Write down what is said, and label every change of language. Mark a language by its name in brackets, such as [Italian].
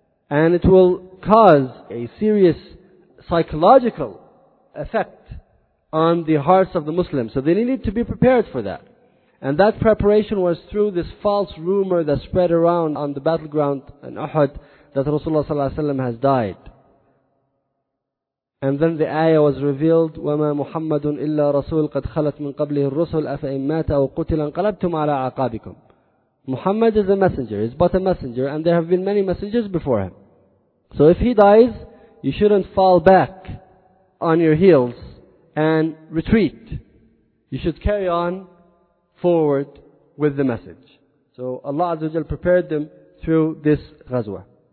[English] And it will cause a serious psychological effect on the hearts of the Muslims. So they needed to be prepared for that. And that preparation was through this false rumor that spread around on the battleground in Uhud that Rasulullah sallallahu alayhi wa sallam has died. And then the ayah was revealed, [Arabic] وَمَا مُحَمَّدٌ إِلَّا رَسُولٌ قَدْ خَلَتْ مِنْ قَبْلِهِ الرُّسُلُ أَفَإِنْ مَاتَ أَوْ قُتِلَ انْقَلَبْتُمْ عَلَىٰ عَقَابِكُمْ. [English] Muhammad is a messenger, he's but a messenger, and there have been many messengers before him. So if he dies, you shouldn't fall back on your heels and retreat. You should carry on forward with the message. So Allah Azza wa Jalla prepared them through this ghazwa.